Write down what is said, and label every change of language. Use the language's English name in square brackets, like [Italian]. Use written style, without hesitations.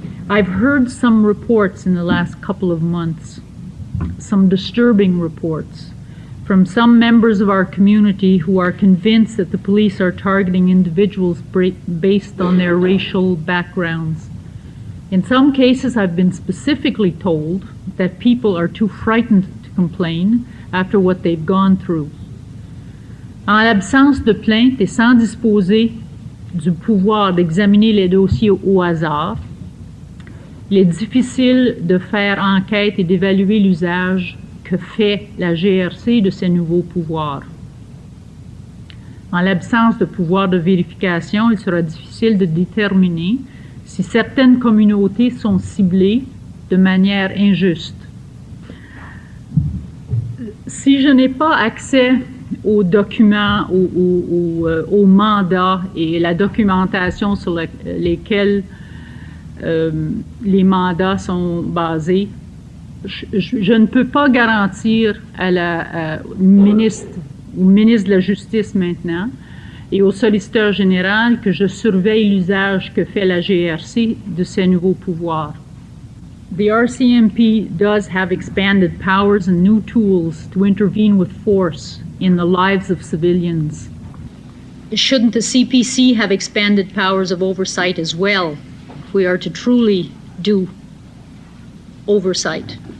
[English] I've heard some reports in the last couple of months, some disturbing reports, from some members of our community who are convinced that the police are targeting individuals based on their racial backgrounds. In some cases, I've been specifically told that people are too frightened to complain after what they've gone through. [French] En l'absence de plainte et sans disposer du pouvoir d'examiner les dossiers au hasard, il est difficile de faire enquête et d'évaluer l'usage que fait la GRC de ses nouveaux pouvoirs. En l'absence de pouvoir de vérification, il sera difficile de déterminer si certaines communautés sont ciblées de manière injuste. Si je n'ai pas accès aux documents, aux mandats et la documentation sur lesquels les mandats sont basés, je ne peux pas garantir à la ministre, au ministre de la Justice maintenant et au solliciteur général que je surveille l'usage que fait la GRC de ses nouveaux pouvoirs. [English] The RCMP does have expanded powers and new tools to intervene with force in the lives of civilians. Shouldn't the CPC have expanded powers of oversight as well, if we are to truly do oversight?